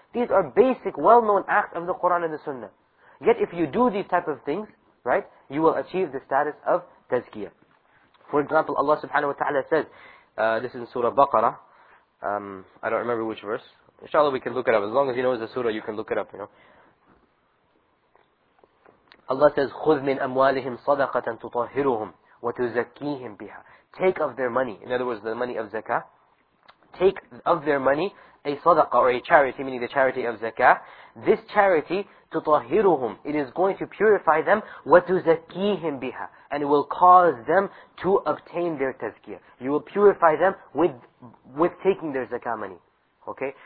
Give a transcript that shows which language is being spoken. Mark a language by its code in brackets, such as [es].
[en] These are basic, well-known acts of the Quran and the Sunnah. Yet if you do these type of things, right, you will achieve the status of tazkiyah. For example, Allah subhanahu wa ta'ala says, this is in Surah Baqarah. I don't remember which verse. Inshallah, we can look it up. As long as you know it's a surah, you can look it up. You know. Allah says, [ar] "خذ من أموالهم صدقة تطهرهم وتزكيهم بها." [en] Take of their money. In other words, the money of zakah. Take of their money a sadaqah or a charity, meaning the charity of zakah. This charity, [ar] تطهرهم, [en] it is going to purify them, [ar] وتزكيهم بها. [en] And it will cause them to obtain their tazkiyah. You will purify them with taking their zakah money. Okay?